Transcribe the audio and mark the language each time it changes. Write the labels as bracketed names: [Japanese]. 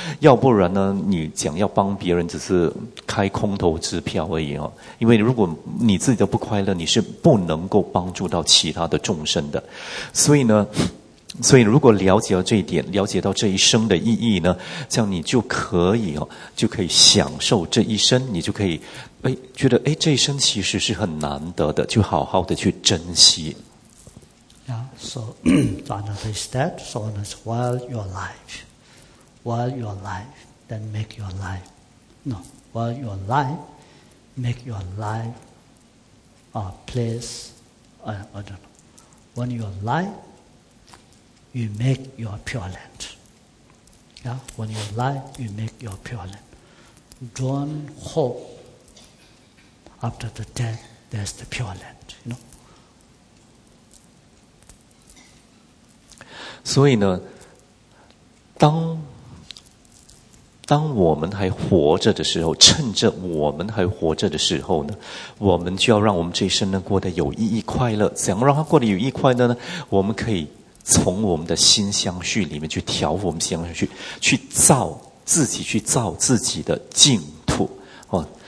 [Chinese] 要不然呢，你讲要帮别人只是开空头支票而已啊，因为如果你自己都不快乐，你是不能够帮助到其他的众生的。所以如果了解到这一点，了解到这一生的意义呢，这样你就可以哦，就可以享受这一生，你就可以哎觉得哎这一生其实是很难得的，就好好的去珍惜。 [English] Yeah, so another step, so as while you're alive, then make your life, no, while you're alive, make your life a place, I don't know, when you're alive,You make your pure land. Yeah? When you're alive, you make your pure land. Don't hope after the death there's the pure land. You know? [Chinese] 所以呢，当我们还活着的时候，趁着我们还活着的时候呢，我们就要让我们这一生呢过得有意义快乐。怎样让它过得有意义快乐呢？我们可以从我们的心相续里面去调伏我们心相续，去造自己的净土、哦、